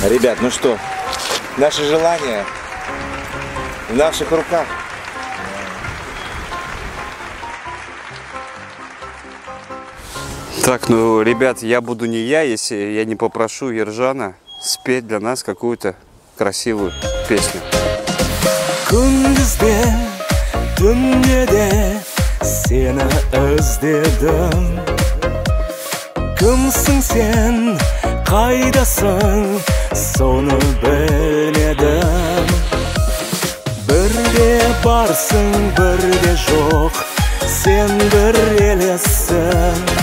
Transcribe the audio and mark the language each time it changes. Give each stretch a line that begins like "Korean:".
Russian: Ребят, ну что, наше желание в наших руках. Так, ну, ребят, я буду не я, если я не попрошу Ержана спеть для нас какую-то красивую песню.
Kazakh: Күндізде, түнде де, сені іздедім. Кімсің сен, қайдасың, соны біледім. Бірде барсың, бірде жоқ, сен бір елесің.